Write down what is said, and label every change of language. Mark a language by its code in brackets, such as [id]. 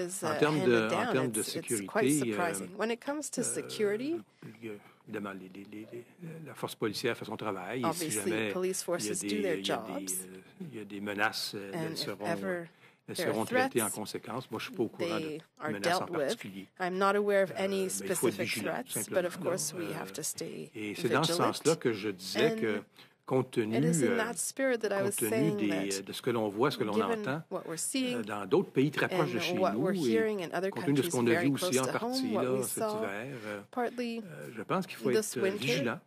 [fr] En termes de sécurité, évidemment, la force policière fait son travail. Et si jamais il y a des menaces, elles seront traitées en conséquence. Moi, je ne suis pas au courant de menaces en particulier. [en] I'm not aware of any specific threats, but of course we have to stay vigilant. [fr] Et c'est dans ce sens-là que je disais que, compte tenu de ce que l'on voit, ce que l'on entend, dans d'autres pays très proches de chez nous, et compte tenu de ce qu'on a vu aussi en partie là, cet hiver, je pense qu'il faut être vigilant.